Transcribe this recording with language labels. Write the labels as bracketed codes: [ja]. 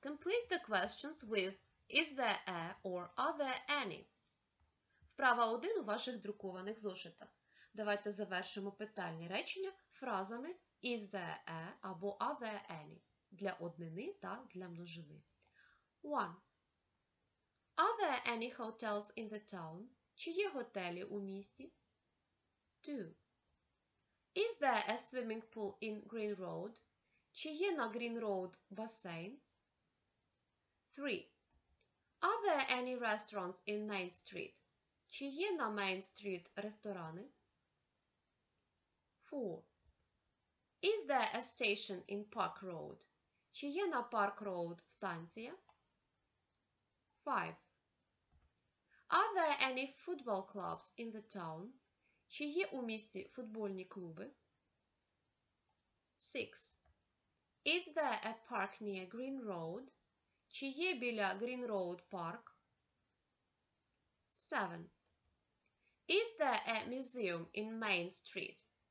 [en] Complete the questions with is there a or are there any? [uk] Вправа 1 у ваших друкованих зошитах. Давайте завершимо питальні речення фразами [en] is there a [uk] або [en] are there any [uk] для однини та для множини. [en] 1. Are there any hotels in the town? [uk] Чи є готелі у місті? 2. [en] Is there a swimming pool in Green Road? [uk] Чи є на Green Road басейн? [en] 3. Are there any restaurants in Main Street? [uk] Чи є на Main Street ресторани? [en] 4. Is there a station in Park Road? [uk] Чи є на Park Road станція? 5. [en] Are there any football clubs in the town? [uk] Чи є у місті футбольні клуби? [en] 6. Is there a park near Green Road? [uk] Чи є біля Green Road парк? [en] 7. Is there a museum in Main Street?